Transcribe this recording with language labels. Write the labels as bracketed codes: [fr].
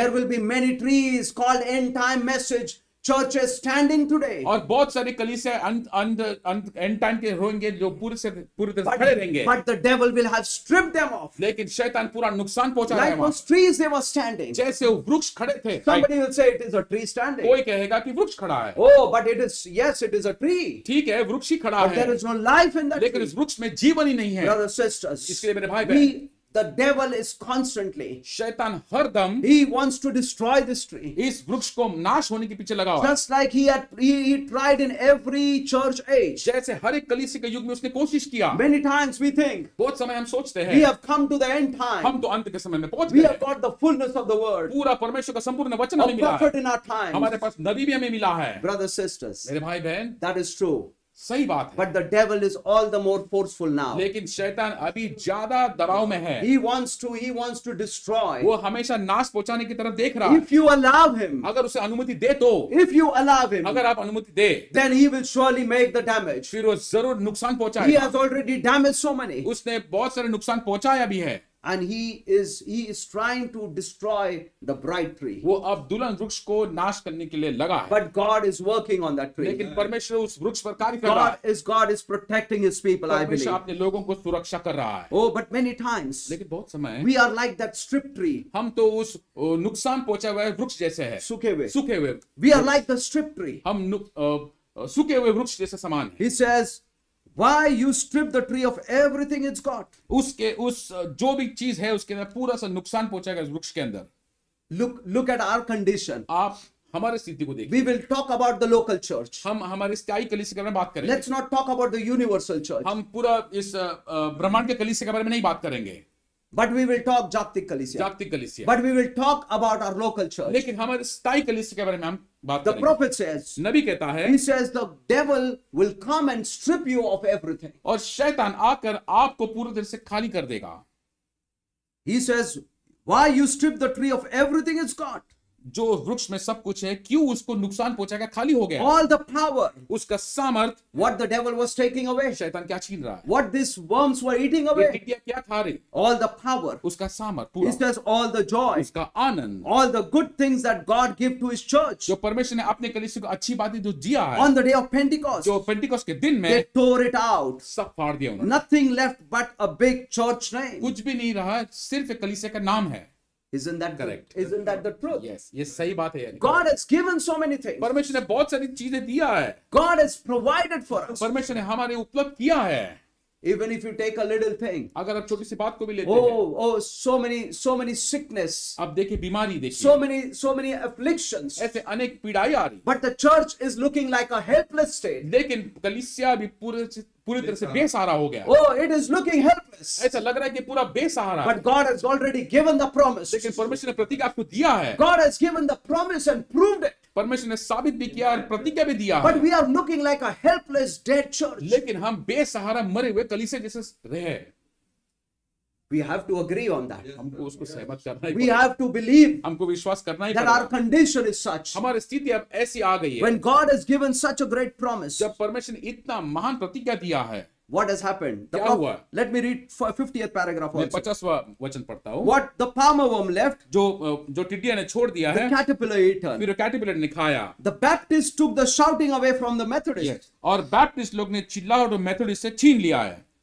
[en] There will be many trees called end time message. Churches standing today. [hi] और बहुत सारे कलीसिया एंड टाइम के होंगे जो पूरे से पूरे तरह खड़े रहेंगे. [en] But the devil will have stripped them off. [hi] लेकिन शैतान पूरा नुकसान पहुंचा रहा है. [en] Like those trees they were standing. [hi] जैसे वृक्ष खड़े थे. [en] Somebody will say it is a tree standing. [hi] कोई कहेगा कि वृक्ष खड़ा है. [en] Oh, but it is yes, it is a tree. [hi] ठीक है वृक्ष ही खड़ा है. [en] But there is no life in that. [hi] लेकिन इस वृक्ष में जीवन ही नहीं है. [en] Brothers, sisters. [hi] इसलिए मेरे भाई बहन. [en] The devil is constantly. [hi] शैतान हर दम. [en] He wants to destroy this tree. [hi] इस वृक्ष को नाश होने के पीछे लगा हुआ. [en] Just like he tried in every church age. [hi] जैसे हर एक कलीसिया के युग में उसने कोशिश किया. [en] Many times we think. [hi] बहुत समय हम सोचते हैं. [en] We have come to the end time. [hi] हम तो अंत के समय में पहुंच [en] गए. We have got the fullness of the word. [hi] पूरा परमेश्वर का संपूर्ण वचन हमें [en] मिला. A prophet in our time. [hi] हमारे पास नबी भी हमें मिला है. [en] Brothers, sisters. [hi] मेरे भाई बहन. [en] That is true. [hi] सही बात है. [en] But the devil is all the more forceful now. [hi] लेकिन शैतान अभी ज्यादा दबाव में है. [en] He wants to destroy. [hi] वो हमेशा नाश पहुंचाने की तरफ देख रहा है. [en] If you allow him. [hi] अगर उसे अनुमति दे तो. [en] If you allow him. [hi] अगर आप अनुमति दे. [en] Then he will surely make the damage. [hi] फिर वो जरूर नुकसान पहुंचाए. [en] He has already damaged so many. [hi] उसने बहुत सारे नुकसान पहुंचाया भी है. [en] And he is trying to destroy the bright tree. [hi] वो अब दुल्हन वृक्ष को नाश करने के लिए लगा है. [en] But God is working on that tree. [hi] लेकिन परमेश्वर उस वृक्ष पर कार्य कर रहा है. [en] God is protecting His people. I believe. [hi] परमेश्वर अपने लोगों को सुरक्षा कर रहा है. [en] Oh, but many times. [hi] लेकिन बहुत समय. [en] We are like that stripped tree. [hi] हम तो उस नुकसान पहुंचा हुआ वृक्ष जैसे हैं. सूखे हुए. [en] We are like the stripped tree. [hi] हम सूखे हुए वृक्ष जैसे समान. [en] He says. Why you strip the tree of everything it's got? [hi] उसके उस जो भी चीज है उसके अंदर पूरा सा नुकसान पहुंचाएगा इस वृक्ष के अंदर. [en] Look at our condition. [hi] आप हमारे स्थिति को देखिए. [en] We will talk about the local church. [hi] हम हमारे स्थायी कलीसिया के बारे में बात करेंगे. [en] Let's not talk about the universal church. [hi] हम पूरा इस ब्रह्मांड के कलीसिया के बारे में नहीं बात करेंगे. [en] But we will talk [hi] जागतिक कलीसिया. जागतिक कलीसिया. [en] But we will talk about our local church. [hi] लेकिन हमारे स्थायी कलीसिया के बारे में हम बात [en] करेंगे. The prophet says. [hi] नबी कहता है. [en] He says the devil will come and strip you of everything. [hi] और शैतान आकर आपको पूरी तरह से खाली कर देगा. [en] He says, why you strip the tree of everything it's got? [hi] जो वृक्ष में सब कुछ है क्यों उसको नुकसान पहुंचाएगा खाली हो गया. [en] All the power, [hi] उसका सामर्थ. [en] What the devil was taking away, [hi] शैतान क्या छीन रहा. [en] What these worms were eating away, [hi] टिड्डियां क्या खा रही. [en] All the power, [hi] उसका सामर्थ पूरा. [en] He says all the joy, [hi] उसका आनंद. [en] All the good things that God give to his church, [hi] जो परमेश्वर ने अपने कलीसिया को अच्छी बातें जो दिया है. [en] On the day of Pentecost, [hi] जो पेंटिकॉस्ट के दिन में. [en] They tore it out, [hi] सब फाड़ दिया उन्होंने. [en] Nothing left but a big church name, [hi] कुछ भी नहीं रहा सिर्फ कलीसिया का नाम है. [en] Isn't that correct? Isn't that the truth? Yes, [hi] ये सही बात है यार. [en] God has given so many things. [hi] परमेश्वर ने बहुत सारी चीजें दिया है. [en] God has provided for us. [hi] परमेश्वर ने हमारे उपलब्ध किया है. [en] Even if you take a little thing. [hi] अगर आप छोटी सी बात को भी लेते [en] हैं. Oh, so many sickness. [hi] अब देखिए बीमारी देखिए. [en] So many afflictions. [hi] ऐसे अनेक पीड़ाएं आ रही. [en] But the church is looking like a helpless state. [hi] लेकिन कलीसिया भी पूरी तरह से बेसहारा हो गया. [en] Oh, it is looking helpless. [hi] ऐसा लग रहा है कि पूरा बेसहारा. [en] But God has already given the promise. [hi] लेकिन परमेश्वर ने प्रतिज्ञा आपको दिया है. [en] God has given the promise and proved it. [hi] परमेश्वर ने साबित भी किया और प्रतिज्ञा भी दिया. [en] But we are looking like a helpless dead church. [hi] लेकिन हम बेसहारा मरे हुए कलीसिया जैसे रहे. [en] We have to agree on that. [hi] हमको उसको सहमत करना है. [en] We have to believe. [hi] हमको विश्वास करना ही पड़ेगा. [en] That our condition is such. [hi] हमारी स्थिति अब ऐसी आ गई है. [en] When God has given such a great promise. [hi] जब परमेश्वर ने इतना महान प्रतिज्ञा दिया है. [en] What has happened? [hi] The क्या हुआ? [en] Let me read 50th paragraph also. [hi] मैं 50वां वचन पढ़ता हूँ. [en] What the palmer worm left? [hi] जो टिड्डियाँ ने छोड़ दिया है. [en] The caterpillar eaten. [hi] फिर caterpillar ने खाया. [en] The Baptist took the shouting away from the Methodist. Yes. [hi] और Baptist लोग ने चिल्लाहट और Methodist से छीन लिया है.